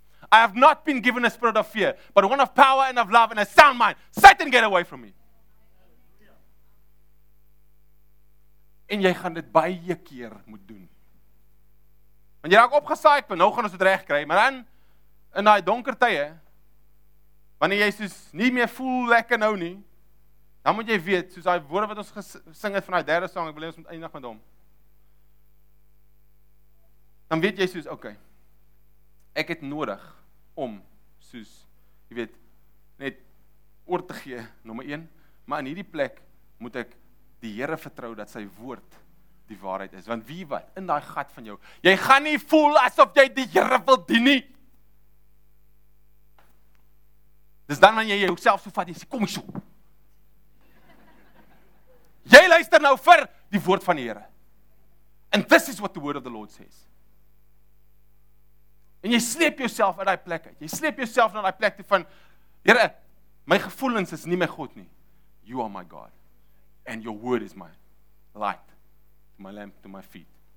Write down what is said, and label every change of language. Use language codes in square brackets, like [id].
[en] I have not been given a spirit of fear, but one of power and of love and a sound mind. Satan, get away from me. [af] En jy gaan dit baie keer moet doen. Want jy raak opgesaai, want nou gaan ons dit regkry, maar dan in daai donker tye wanneer jy soos nie meer voel lekker nou nie, dan moet jy weet soos daai woorde wat ons gesing het van daai derde song, ek wil hê ons moet eindig met hom. Dan weet jy soos okay. Ek het nodig om soos jy weet net oor te gee nommer 1, maar in hierdie plek moet ek die Here vertrou dat sy woord die waarheid is, want wie wat in daai gat van jou, jy gaan nie voel asof jy die Here wil dien nie. Dis dan wanneer jy jouself so vat, jy sê kom hier so. Jy luister nou vir die woord van die Here. [en] And this is what the word of the Lord says. [af] En jy sleep jouself uit daai plek uit. Jy sleep jouself na daai plek toe van Here, my gevoelens is nie my God nie. [en] You are my God. And your word is my light to my lamp to my feet.